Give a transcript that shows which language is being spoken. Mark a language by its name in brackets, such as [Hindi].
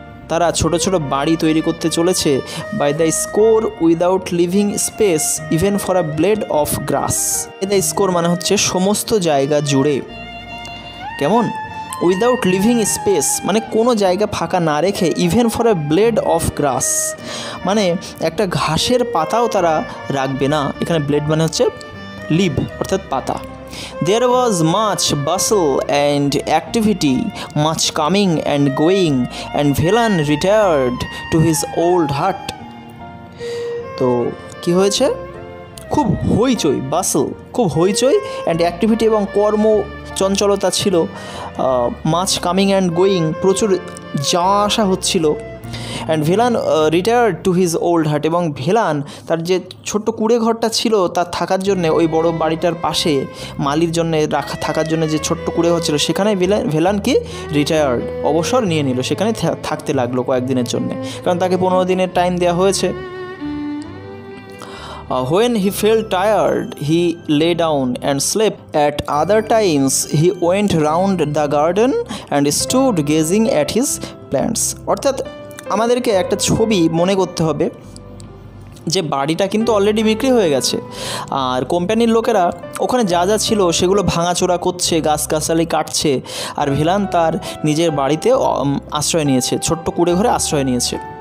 [Bangla] তারা ছোটো ছোটো বাড়ি তৈরি করতে চলেছে [English] by the score without living space even for a blade of grass, [Bangla] by the score মানে হচ্ছে সমস্ত জায়গা জুড়ে, কেমন, উইদাউট লিভিং স্পেস মানে কোনো জায়গা ফাঁকা না রেখে, even for a blade of গ্রাস মানে একটা ঘাসের পাতাও তারা রাখবে না, এখানে ব্লেড মানে হচ্ছে লিভ অর্থাৎ পাতা। [English] There was much bustle and activity, much coming and going, and Velan retired to his old hut. [Bangla] তো কি হয়েছে, খুব হইচই, বাসল, খুব হইচই অ্যান্ড অ্যাক্টিভিটি এবং কর্ম চঞ্চলতা ছিল, [English] much coming and going, [Bangla] প্রচুর যাওয়া আসা হচ্ছিল, [English] and villain retired to his old hut, [Bangla] এবং ভিলান তার যে ছোট্ট কুঁড়ে ঘরটা ছিল তার থাকার জন্যে, ওই বড় বাড়িটার পাশে মালির জন্যে রাখা থাকার জন্য যে ছোট্ট কুঁড়ে ঘর ছিল সেখানে ভিলানকে রিটায়ার্ড অবসর নিয়ে নিল, সেখানে থাকতে লাগলো কয়েকদিনের জন্যে, কারণ তাকে 15 দিনের টাইম দেওয়া হয়েছে। [English] When he felt tired, he lay down and slept. At other times, he went round the garden and stood gazing at his plants. [Bangla] অর্থাৎ আমাদেরকে একটা ছবি মনে করতে হবে যে বাড়িটা কিন্তু অলরেডি বিক্রি হয়ে গেছে, আর কোম্পানির লোকেরা ওখানে যা যা ছিল সেগুলো ভাঙাচোরা করছে, গাছগাছালি কাটছে, আর ভিলান তার নিজের বাড়িতে আশ্রয় নিয়েছে, ছোট্ট কুঁড়ে ঘরে আশ্রয় নিয়েছে।